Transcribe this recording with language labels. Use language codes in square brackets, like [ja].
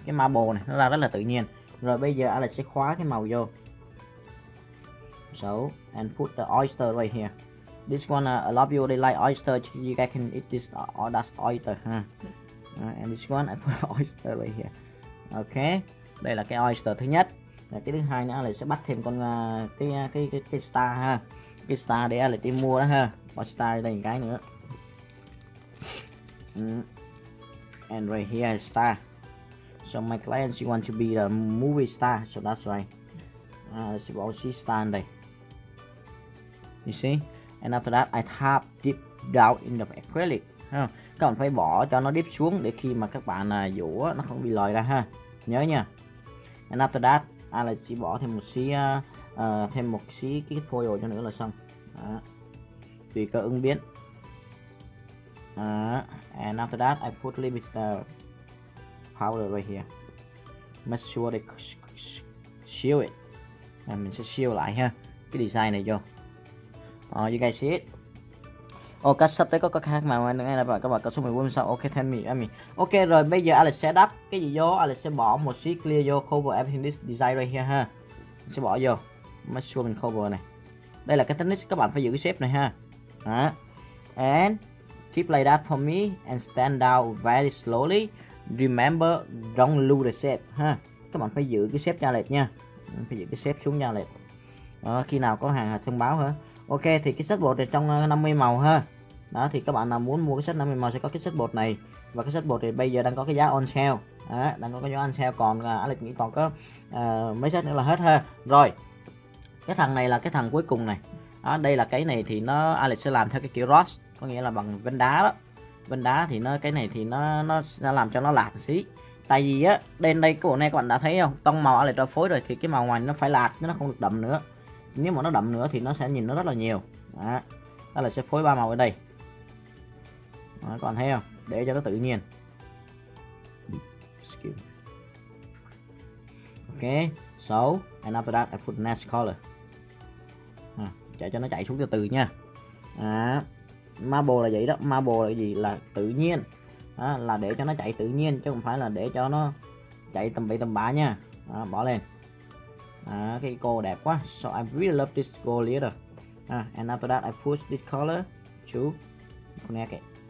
[vi] Cái marble này nó ra rất là tự nhiên. Rồi bây giờ Alex sẽ khóa cái màu vô. [en] So, and put the oyster right here. This one, a lot of you really like oyster. You guys can eat this or that oyster, huh? And this one, I put oyster right here. [vi] Ok, đây là cái oyster thứ nhất. Rồi cái thứ hai nữa, Alex sẽ bắt thêm con cái star ha. Cái star để Alex đi mua đó ha. Bỏ star đây một cái nữa. [en] And right here is star. So my client, she want to be the movie star. So that's why she will see star in there. You see? And after that, I tap deep down in the acrylic. [vi] Các bạn phải bỏ cho nó deep xuống để khi mà các bạn vũ nó không bị lòi ra ha. Nhớ nha. And after that, I like chỉ bỏ thêm một xí thêm một xí cái foil cho nữa là xong. Tùy cơ ứng biến. [en] And after that, I put a little bit of powder right here. Make sure they seal it. And mình sẽ seal lại ha. Cái design này vô. You guys see it? [vi] Oh, cách sắp tới có cái khác mà ngay là các bạn có số 14 sao? Ok, thêm mình, em. Ok, rồi bây giờ Alex sẽ đắp cái gì vô. Alex sẽ bỏ một sheet clear vô, cover everything this design right here ha. Mình sẽ bỏ vô. Make sure mình cover này. Đây là cái technique các bạn phải giữ cái shape này ha. [en] And keep like that for me and stand out very slowly. Remember, don't lose the shape, ha. [vi] Các bạn phải giữ cái shape cho Alex nha. Phải giữ cái shape xuống cho Alex. Khi nào có hàng thông báo hả? Ok, thì cái set bột này trong 50 màu ha. Đó, thì các bạn nào muốn mua cái set 50 màu sẽ có cái set bột này. Và cái set bột thì bây giờ đang có cái giá on sale. Đang có cái giá on sale, còn Alex nghĩ còn có mấy set nữa là hết ha. Rồi, cái thằng này là cái thằng cuối cùng này. Đây là cái này thì nó Alex sẽ làm theo cái kiểu rust, có nghĩa là bằng vân đá đó. Vân đá thì nó cái này thì nó sẽ làm cho nó lạt xí. Tại vì á, đen đây cái bộ này các bạn đã thấy không? Tông màu Alex đã phối rồi thì cái màu ngoài nó phải lạt, nó không được đậm nữa. Nếu mà nó đậm nữa thì nó sẽ nhìn nó rất là nhiều. Đó là sẽ phối ba màu ở đây. Đó, các bạn thấy không? Để cho nó tự nhiên. [en] Ok, so and after that I put next color. [vi] Để cho nó chạy xuống từ từ nha. Marble là vậy đó, marble là gì? Là tự nhiên. Là để cho nó chạy tự nhiên chứ không phải là để cho nó chạy tầm bậy tầm bạ nha. [en] Bỏ lên. Cái cô đẹp quá. So I really love this gold leader. And after that I push this color to connect it.